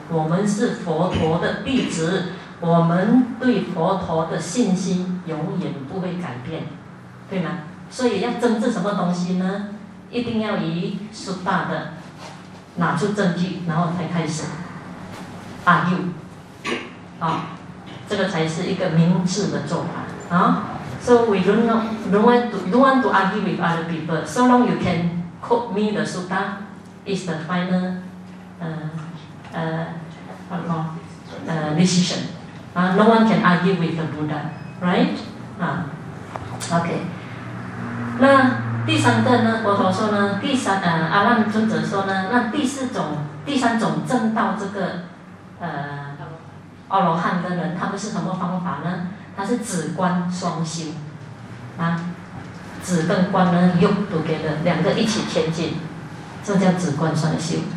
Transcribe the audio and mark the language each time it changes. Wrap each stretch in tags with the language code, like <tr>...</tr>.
<zh>我们是佛陀的弟子，我们对佛陀的信心永远不会改变，对吗？所以要争执什么东西呢？一定要以书大的拿出证据，然后才开始 argue， 啊，这个才是一个明智的做法啊。</zh> <en>So we don't want to argue with other people. So long you can. Quote me the sutta is the final decision. No one can argue with the Buddha, right?</en> <zh>Okay. 那第三个呢？佛陀说呢，阿难尊者说呢，那第三种证到这个阿罗汉的人，他们是什么方法呢？他是止观双修啊。止跟观呢，又都给了两个一起前进，这叫止观双修。</zh>